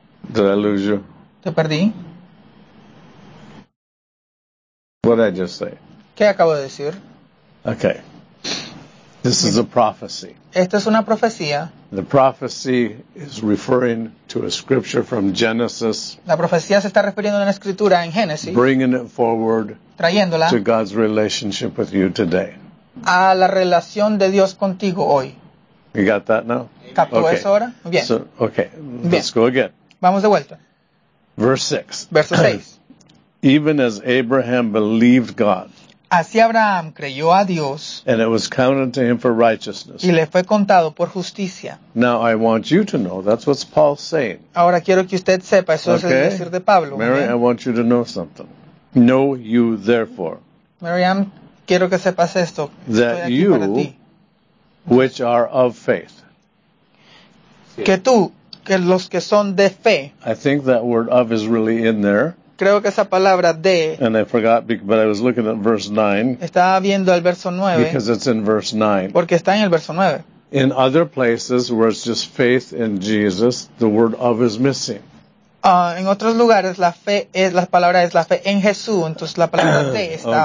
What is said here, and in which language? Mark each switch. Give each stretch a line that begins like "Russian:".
English: Did I lose you?
Spanish: Te perdí.
English: What did I just say?
Spanish: ¿Qué acabo de decir?
English: Okay. This is a prophecy.
Spanish: Esta es una profecía.
English: The prophecy is referring to a scripture from Genesis.
Spanish: La profecía se está refiriendo a una escritura en Génesis.
English: Bringing it forward.
Spanish: Trayéndola.
English: To God's relationship with you today.
Spanish: A la relación de Dios contigo hoy.
English: You got that now?
Spanish: ¿Captó okay. eso ahora? Bien.
English: So, okay.
Spanish: Bien.
English: Let's go again.
Spanish: Vamos de vuelta.
English: Verse 6.
Spanish: Verso 6.
English: Even as Abraham believed God.
Spanish: Así Abraham creyó a Dios.
English: And it was counted to him for righteousness.
Spanish: Y le fue contado por justicia.
English: Now I want you to know, that's what Paul's saying.
Spanish: Ahora quiero que usted sepa, eso
English: okay.
Spanish: es el decir de Pablo.
English: Mary, okay. I want you to know something. Know you therefore.
Spanish: Miriam, quiero que sepas esto.
English: That you, which are of faith.
Spanish: Que tú, que los que son de fe.
English: I think that word of is really in there.
Spanish: Creo que esa palabra de.
English: And I forgot, but I was looking at verse 9.
Spanish: Estaba viendo el verso 9.
English: Because it's in verse 9.
Spanish: Porque está en el verso 9.
English: In other places where it's just faith in Jesus, the word of is missing.
Spanish: En otros lugares la fe es la palabra es la fe en Jesús, entonces la palabra fe está